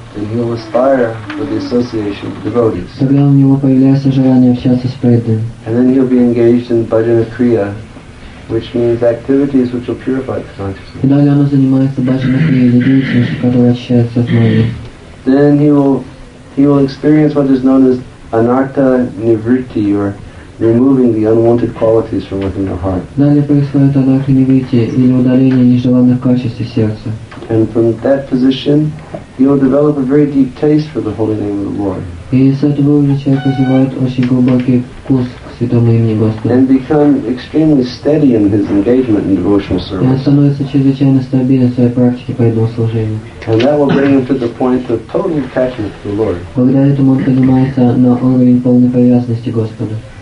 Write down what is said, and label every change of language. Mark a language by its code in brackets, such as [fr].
[en] And he will aspire for the association of devotees. [ru] Тогда у него появляется желание общаться с преданными. [en] And then he'll be engaged in bhajana kriya, which means activities which will purify the consciousness. [ru] И далее он занимается bhajana kriya, деятельностью, которая очищает сознание. [en] Then he will experience what is known as anartha nivritti, or removing the unwanted qualities from within the heart. [ru] Далее происходит анартха нивритти, или удаление нежеланных качеств из сердца. [en] And from that position, he will develop a very deep taste for the holy name of the Lord. [ru] И с этого уровня человек развивает очень глубокий вкус к святому имени Господа. [en] And become extremely steady in his engagement in devotional service. [ru] И он становится чрезвычайно стабилен в своей практике по этому служению. [en] And that will bring him to the point of total attachment to the Lord. [ru] Благодаря этому он поднимается на уровень полной привязанности к Господу.